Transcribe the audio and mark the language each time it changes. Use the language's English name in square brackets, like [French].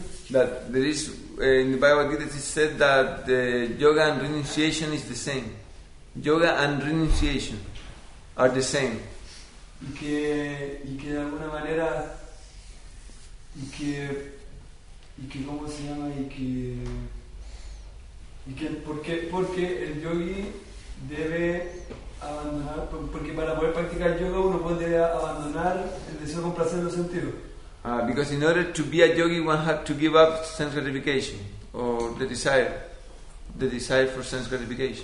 [English] That there is in the Bhagavad Gita it is said that the yoga and renunciation is the same. Yoga and renunciation are the same. [Spanish] Y que de alguna manera y que cómo se llama y que porque el yogi debe abandonar porque para poder practicar yoga uno puede abandonar el deseo complacer los sentidos. [English] Because in order to be a yogi, one has to give up sense gratification or the desire for sense gratification.